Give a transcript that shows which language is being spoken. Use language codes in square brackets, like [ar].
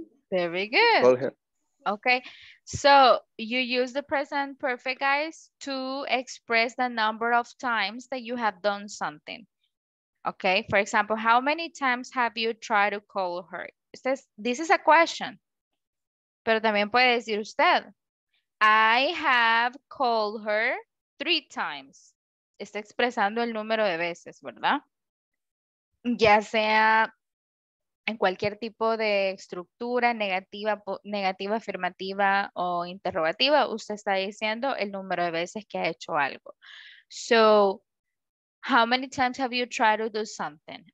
[en] Very good. Call her. Okay. So you use the present perfect, guys, to express the number of times that you have done something. Okay, for example, how many times have you tried to call her? This is a question. [es] Pero también puede decir usted, [en] I have called her 3 times. [es] Está expresando el número de veces, ¿verdad? Ya sea en cualquier tipo de estructura negativa, afirmativa o interrogativa, usted está diciendo el número de veces que ha hecho algo. [en] So, how many times have you tried to do something?